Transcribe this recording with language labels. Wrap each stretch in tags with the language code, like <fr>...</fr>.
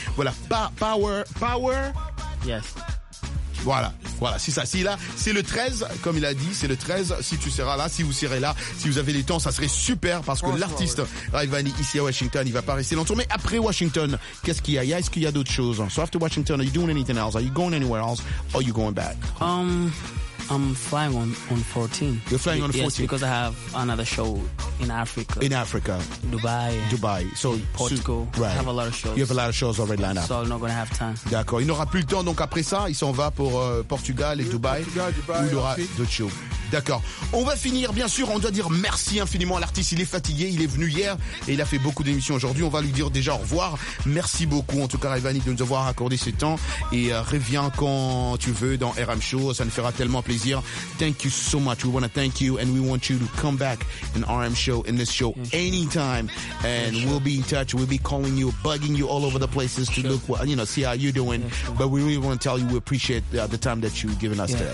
<fr>Voilà, Power.</fr> <en>Yes.</en> <fr>Voilà, c'est ça. C'est le 13, comme il a dit, c'est le 13. Si tu seras là, si vous serez là, si vous avez du temps, ça serait super parce que l'artiste Rayvanny, ici à Washington, il va pas rester longtemps. Mais après Washington, qu'est-ce qu'il y a? Est-ce qu'il y a d'autres choses?</fr> <en>So after Washington, are you doing anything else? Are you going anywhere else? Or are you going back? I'm flying on 14. You're flying on 14? Yes, because I have another show in Africa. In Africa. Dubai. Dubai. So, Portugal. So, right. I have a lot of shows. You have a lot of shows already lined up. So I'm not going to have time.</en> <fr>D'accord. Il n'aura plus le temps, donc après ça, il s'en va pour Portugal et Dubai. Portugal, Dubai. Où il aura d'autres shows. D'accord. On va finir, bien sûr, on doit dire merci infiniment à l'artiste. Il est fatigué, il est venu hier et il a fait beaucoup d'émissions aujourd'hui. On va lui dire déjà au revoir. Merci beaucoup, en tout cas, Rayvanny, de nous avoir accordé ce temps. Et reviens quand tu veux dans RM Show. Ça nous fera tellement plaisir. Thank you so much.</fr> <en>We want to thank you and we want you to come back in RM Show, in this show, anytime. And we'll be in touch. We'll be calling you, bugging you all over the places to look, you know, see how you're doing. But we really want to tell you we appreciate the time that you've given us today.</en>